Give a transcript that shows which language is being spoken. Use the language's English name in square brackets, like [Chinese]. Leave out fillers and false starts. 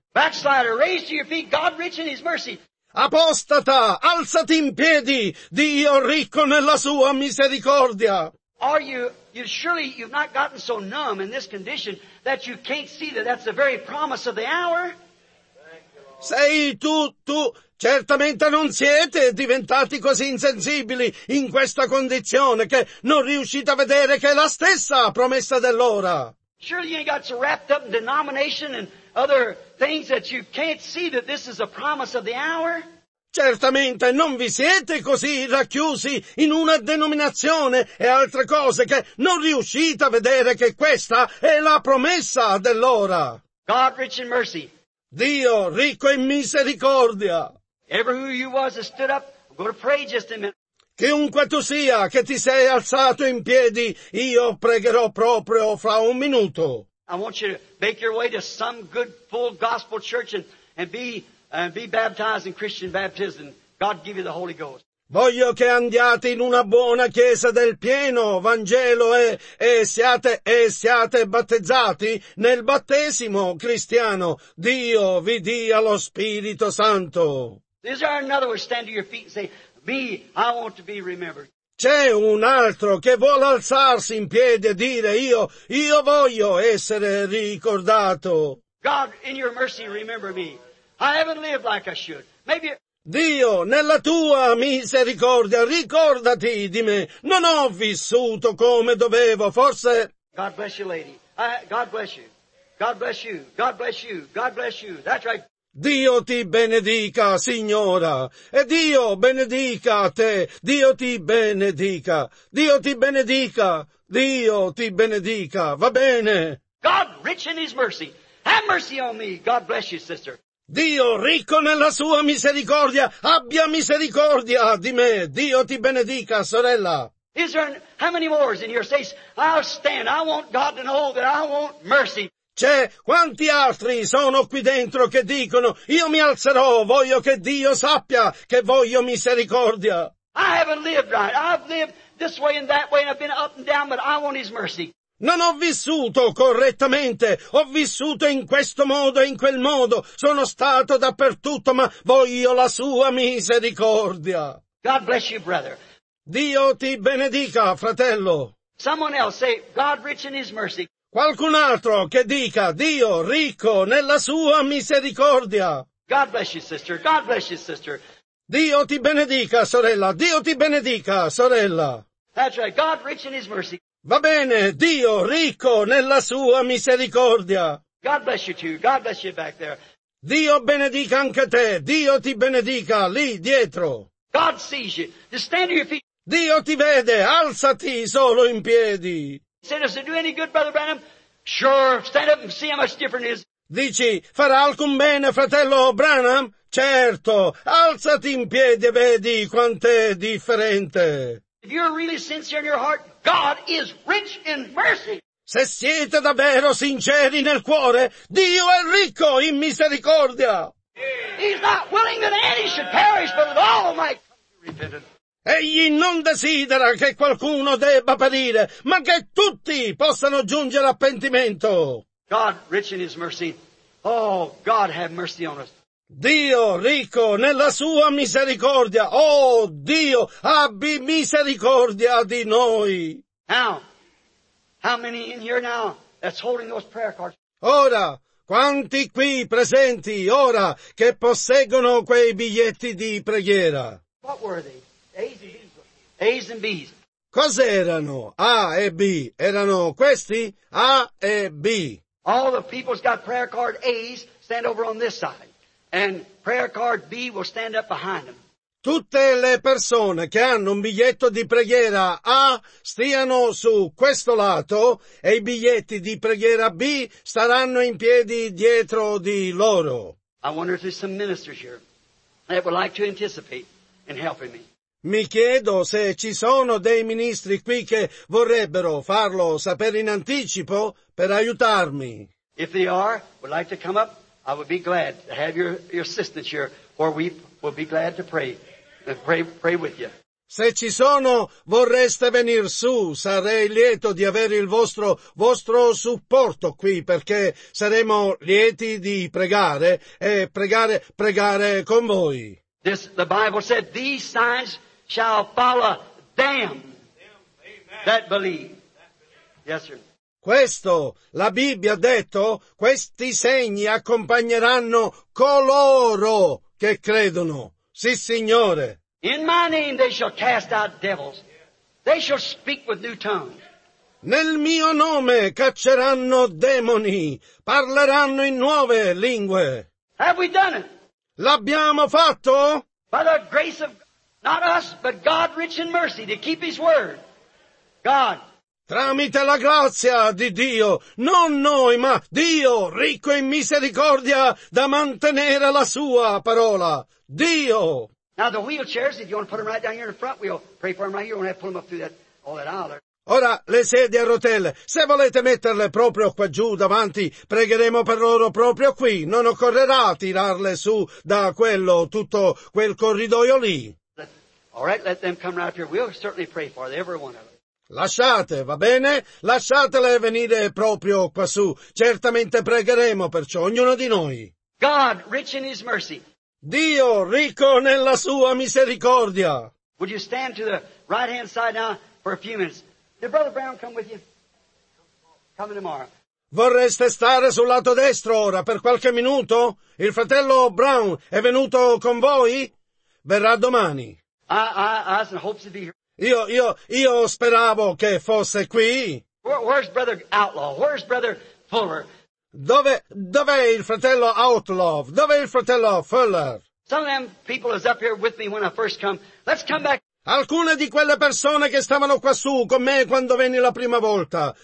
[English] Backslider, raise to your feet, God rich in his mercy. [Italian] Apostata, alzati in piedi, Dio ricco nella sua misericordia. [English] Are you surely you've not gotten so numb in this condition that you can't see that that's the very promise of the hour? [Italian] Sei tu, certamente non siete diventati così insensibili in questa condizione che non riuscite a vedere che è la stessa promessa dell'ora. [English] Surely you ain't got so wrapped up in denomination and other things that you can't see that this is a promise of the hour? [Italian] Certamente non vi siete così racchiusi in una denominazione e altre cose che non riuscite a vedere che questa è la promessa dell'ora. [English] God rich in mercy. [Italian] Dio ricco in misericordia. [English] Who you was that stood up, I'm going to pray just a minute. [Italian] Chiunque tu sia che ti sei alzato in piedi, io pregherò proprio fra un minuto. [English] I want you to make your way to some good full gospel church and be baptized in Christian baptism. God give you the Holy Ghost. [Italian] Voglio che andiate in una buona chiesa del pieno Vangelo e siate battezzati nel battesimo cristiano. Dio vi dia lo Spirito Santo. [English] Is there another one? Stand to your feet and say, me, I want to be remembered. [Italian] C'è un altro che vuole alzarsi in piedi e dire, io voglio essere ricordato. [English] God, in your mercy, remember me. I haven't lived like I should. Maybe... [Italian] Dio, nella tua misericordia, ricordati di me. Non ho vissuto come dovevo, forse... [English] God bless you, lady. God bless you. God bless you. God bless you. God bless you. That's right. [Italian] Dio ti benedica, signora. E Dio benedica a te. Dio ti benedica. Dio ti benedica. Dio ti benedica. Va bene. [English] God rich in his mercy. Have mercy on me. God bless you, sister. [Italian] Dio ricco nella sua misericordia, abbia misericordia di me. Dio ti benedica, sorella. [English] Is there how many more is in your face? I'll stand. I want God to know that I want mercy. [Italian] C'è quanti altri sono qui dentro che dicono, io mi alzerò, voglio che Dio sappia che voglio misericordia. [English] I haven't lived right. I've lived this way and that way and I've been up and down, but I want his mercy. [Italian] Non ho vissuto correttamente, ho vissuto in questo modo e in quel modo, sono stato dappertutto, ma voglio la sua misericordia. [English] God bless you, brother. [Italian] Dio ti benedica, fratello. [English] Someone else say, God rich in his mercy. [Italian] Qualcun altro che dica, Dio ricco nella sua misericordia. [English] God bless you, sister. God bless you, sister. [Italian] Dio ti benedica, sorella. Dio ti benedica, sorella. [English] That's right, God rich in his mercy. [Italian] Va bene, Dio ricco nella sua misericordia. [English] God bless you too. God bless you back there. [Italian] Dio benedica anche te. Dio ti benedica lì dietro. [English] God sees you. Just stand to your feet. [Italian] Dio ti vede. Alzati solo in piedi. [English] Say, does it do any good, Brother Branham? Sure. Stand up and see how much different it is. [Italian] Dici, farà alcun bene, fratello Branham? Certo. Alzati in piedi e vedi quant'è differente. [English] If you're really sincere in your heart, God is rich in mercy. [Italian] Se siete davvero sinceri nel cuore, Dio è ricco in misericordia. [English] He's not willing that any should perish, but that all might come to repentance. [Italian] Egli non desidera che qualcuno debba perire, ma che tutti possano giungere a pentimento. [English] God rich in his mercy. Oh, God have mercy on us. [Italian] Dio ricco nella sua misericordia. Oh Dio, abbi misericordia di noi. [English] Now, how many in here now that's holding those prayer cards? [Italian] Ora, quanti qui presenti ora che posseggono quei biglietti di preghiera? [English] What were they? A's and B's. A's and B's. [Italian] Cos'erano? A e B. Erano questi? A e B. [English] All the people's got prayer card A's, stand over on this side. And prayer card B will stand up behind them. [Italian] tutte le persone che hanno un biglietto di preghiera A stiano su questo lato e i biglietti di preghiera B staranno in piedi dietro di loro. [English] I wonder if there's some ministers here that would like to anticipate in helping me. [Italian] Mi chiedo se ci sono dei ministri qui che vorrebbero farlo sapere in anticipo per aiutarmi. [English] If they are, would like to come up, I would be glad to have your assistance here, or we will be glad to pray with you. [Italian] Se ci sono, vorreste venire su, sarei lieto di avere il vostro supporto qui, perché saremo lieti di pregare e pregare con voi. [English] This, the Bible said, these signs shall follow them that believe. Yes, sir. [Italian] Questo, la Bibbia ha detto, questi segni accompagneranno coloro che credono. Sì, Signore. [English] In my name they shall cast out devils. They shall speak with new tongues. [Italian] Nel mio nome cacceranno demoni. Parleranno in nuove lingue. [English] Have we done it? [Italian] L'abbiamo fatto? [English] By the grace of not us, but God rich in mercy to keep his word. God. [Italian] Tramite la grazia di Dio, non noi, ma Dio, ricco in misericordia, da mantenere la sua parola. Dio! [English] Now the wheelchairs, if you want to put them right down here in the front, we'll pray for them right here. We're going to have to pull them up through all that aisle. [Italian] Ora, le sedie a rotelle, se volete metterle proprio qua giù davanti, pregheremo per loro proprio qui. Non occorrerà tirarle su da quello, tutto quel corridoio lì. [English] Alright, let them come right up here. We'll certainly pray for them, every one of them. [Italian] Lasciate, va bene? Lasciatele venire proprio quassù. Certamente pregheremo per ciò, ognuno di noi. [English] God, rich in his mercy. [Italian] Dio, ricco nella sua misericordia. [English] Would you stand to the right hand side now for a few minutes? Did Brother Brown come with you? Come tomorrow. [Italian] Vorreste stare sul lato destro ora per qualche minuto? Il fratello Brown è venuto con voi? Verrà domani. [English] I was in hopes to be here. [Italian] Io speravo che fosse qui. [English] Where's Brother Outlaw? Where's Brother Fuller? [Italian] Dov'è il fratello Outlaw? Dov'è il fratello Fuller? [English] Some of them people is up here with me when I first come. Let's come back. [Italian] Alcune di quelle persone che stavano quassù con me quando venni la prima volta.